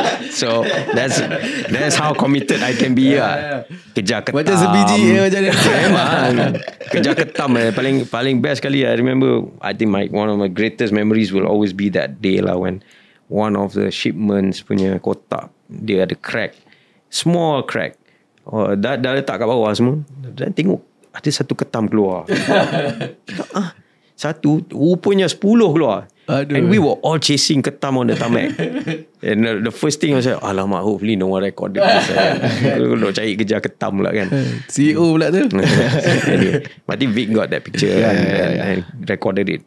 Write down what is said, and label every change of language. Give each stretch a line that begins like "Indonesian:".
English: So that's how committed I can be.
Malay: Kerja ketam. Macam sebiji ya macam ni. Memang. Kerja ketam. Paling best kali.
English: I remember, I think one of my greatest memories will always be that day lah when one of the shipments
Malay: punya kotak, dia ada
English: crack. Small crack.
Malay: Oh, dah letak kat bawah semua. Dan tengok, ada satu ketam keluar. Satu, rupanya 10 keluar. Aduh.
English: And we were all chasing ketam on the tarmac. And the first thing I said, alamak, hopefully no one recorded this.
Malay: Kalau cari kejar ketam pula kan. CEO pula tu.
English: Anyway, but I think Vic got that picture. Yeah, and recorded it.